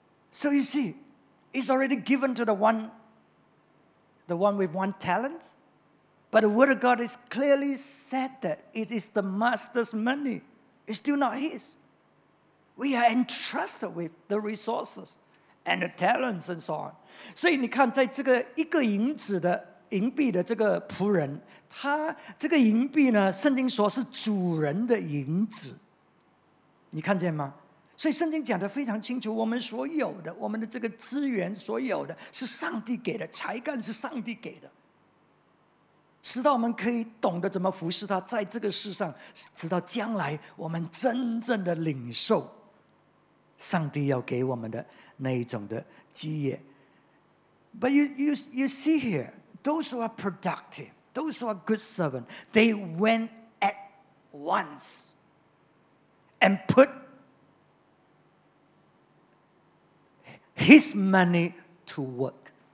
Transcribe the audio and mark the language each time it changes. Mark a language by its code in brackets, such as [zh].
[en] So you see, it's already given to the one with 1 talent. But the word of God is clearly said that it is the master's money. It's still not his. We are entrusted with the resources and the talents and so on. [zh] 所以你看在这个一个银子的银币的这个仆人，他这个银币呢，圣经说是主人的银子。你看见吗？所以圣经讲得非常清楚，我们所有的，我们的这个资源所有的是上帝给的，才干是上帝给的。直到我们可以懂得怎么服侍他，在这个世上，直到将来我们真正的领受上帝要给我们的那一种的基业。 [en] But you see here, those who are productive, those who are good servants, they went at once and put his money to work.